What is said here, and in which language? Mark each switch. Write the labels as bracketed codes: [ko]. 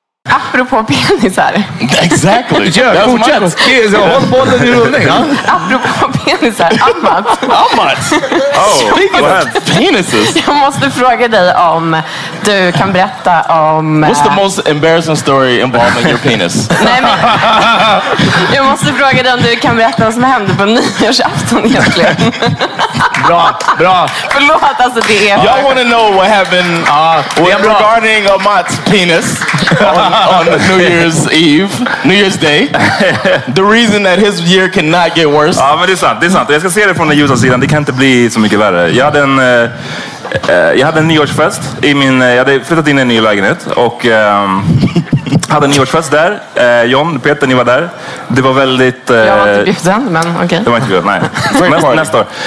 [sv] Apropå penisar. [en] Exactly. [sv] Ja, fortsätt. Håll på den i rullning. Apropå penisar. Ammat. [en] Penises. [sv] Jag måste fråga dig om du kan berätta om... [en] What's the most embarrassing story involving your penis? [sv] Nej, men jag måste fråga dig om du kan berätta vad som hände på nyårsafton egentligen. Bra. Förlåt, alltså det är... [en] Y'all wanna know what happened regarding Ammats penis. On New Year's Eve, New Year's Day. The reason that his year cannot get worse. [sv] Ja, men det är sant. Jag ska se det från den ljusa sidan. Det kan inte bli så mycket värre. Jag hade en nyårsfest i min... Jag hade flyttat in i en ny lägenhet och hade en nyårsfest där. John, Peter, ni var där. Det var väldigt... Jag var inte bjuden, men okej. Okay. Det var inte bjuden, nej. Nästa år.